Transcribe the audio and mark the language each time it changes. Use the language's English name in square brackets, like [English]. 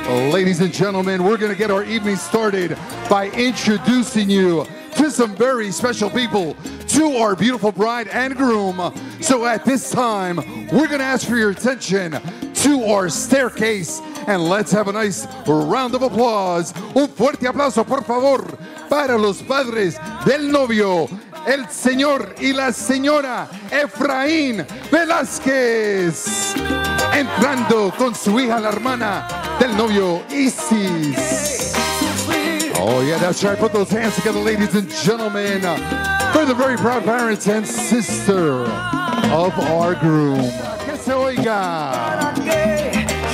[English] Ladies and gentlemen, we're going to get our evening started by introducing you to some very special people, to our beautiful bride and groom. So at this time, we're going to ask for your attention to our staircase, and let's have a nice round of applause. [Spanish] Un fuerte aplauso, por favor, para los padres del novio, el señor y la señora Efraín Velázquez, entrando con su hija, la hermana del novio, Isis. [English] Oh, yeah, that's right. Put those hands together, ladies and gentlemen, for the very proud parents and sister of our groom. [Spanish] Que se oiga.